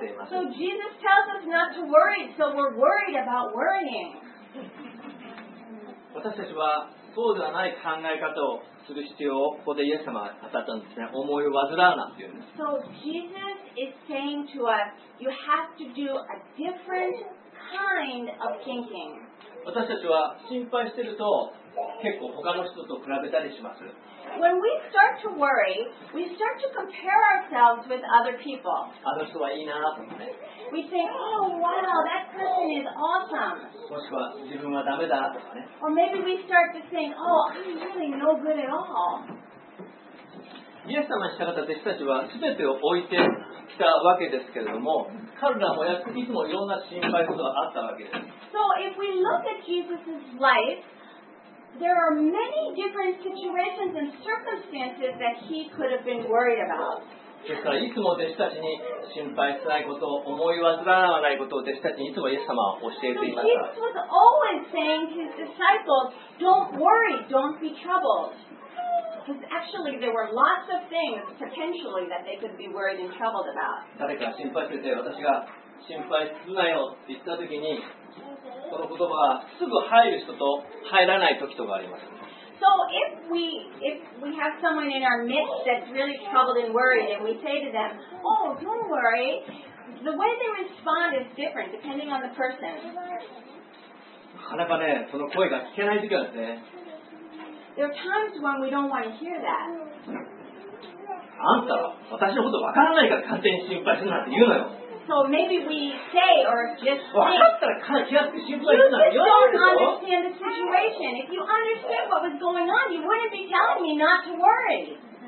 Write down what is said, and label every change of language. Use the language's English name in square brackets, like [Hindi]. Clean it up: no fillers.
[English] So Jesus tells us not to worry, so we're worried about worrying. [Japanese] 私たちはそうではない考え方をする必要をここでイエス様が語ったんですね。思い煩うなんていうんです。 [English] So Jesus is saying to us, you have to do a different kind of thinking. [Japanese] 私たちは心配してると結構他の人と比べたりします。 [English] When we start to worry, we start to compare ourselves with other people. [Japanese] あの人はいいなと思って。 [English] We think, oh wow, that person is awesome. [Japanese] もしくは自分はダメだとかね。 [English] Or maybe we start to think, oh, I'm really no good at all. [Japanese] イエス様に従った弟子たちは全てを置いてきたわけですけれども、彼らもいつもいろんな心配事があったわけです。 [English] So if we look at Jesus' life,There are many different situations and circumstances that he could have been worried about. [Japanese] ですからいつも弟子たちに心配しないこと、思い煩わないことを弟子たちにいつもイエス様は教えていました。 [English] So Jesus was always saying to his disciples, "Don't worry, don't be troubled." because actually there were lots of things potentially that they could be worried and troubled about. [Japanese] 誰か心配してて、私が心配するなよって言った時に、この言葉はすぐ入る人と入らない時とかあります。 [English] So if we have someone in our midst that's really troubled and worried, and we say to them, oh, don't worry, the way they respond is different depending on the person. [Japanese] なかなかね、その声が聞けない時はですね。 [English] There are times when we don't want to hear that. [Japanese] あんたは私のことわからないから勝手に心配するなって言うのよ。 [English] So maybe we say or just think, you just don't understand the situation. If you understood what was going on, you wouldn't be telling me not to worry.